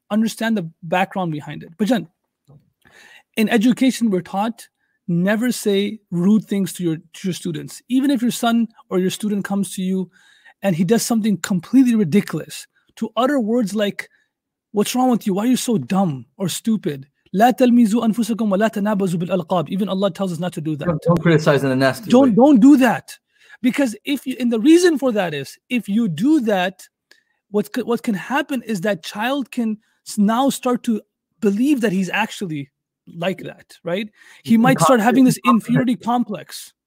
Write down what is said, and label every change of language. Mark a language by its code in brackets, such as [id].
[en] Understand the background behind it. But Jen, in education, we're taught never say rude things to your students. Even if your son or your student comes to you and he does something completely ridiculous to utter words like, "What's wrong with you? Why are you so dumb or stupid?" [ar] لا تلمزوا أنفسكم ولا تنابزوا بالألقاب. [en] Even Allah tells us not to do that. Don't criticize in a nasty way. Don't do that, because if you, and the reason for that is if you do that, what can happen is that child can now start to believe that he's actually like that, right? He might start having this inferiority complex.